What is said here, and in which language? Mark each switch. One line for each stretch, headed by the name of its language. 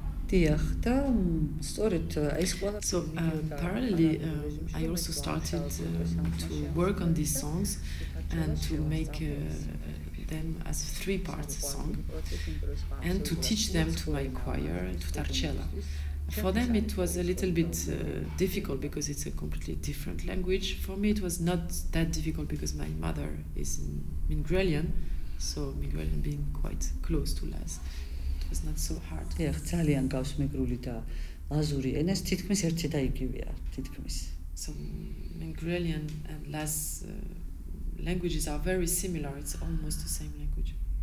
English: So parallelly, I also started to work on these songs and to make them as three parts a song and to teach them to my choir, to Tarcella. For them it was a little bit difficult because it's a completely different language. For me it was not that difficult because my mother is in Mingrelian, so Mingrelian being quite close to Laz, it was not so hard.
Georgian: Yeah, ძალიან გავს მეგრული და ლაზური ენას თითქმის ერთი და იგივეა თითქმის.
English: So Mingrelian and Laz languages are very similar, it's almost the same language.